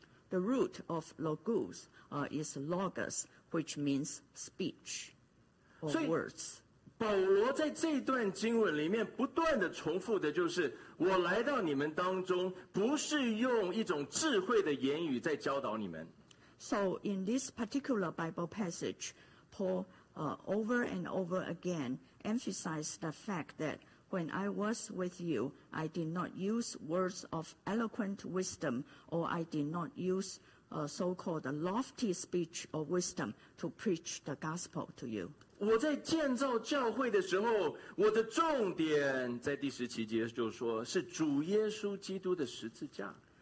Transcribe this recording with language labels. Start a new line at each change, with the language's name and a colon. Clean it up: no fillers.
English: The root of logos is logos, which means speech or words.
Chinese: 保罗在这一段经文里面不断的重复的就是，我来到你们当中，不是用一种智慧的言语在教导你们。
English: So in this particular Bible passage, Paul over and over again emphasized the fact that When I was with you, I did not use words of eloquent wisdom, or I did not use so-called lofty speech or wisdom to preach the gospel to you.
Chinese: 我在建造教会的时候，我的重点在第十七节就说是主耶稣基督的十字架。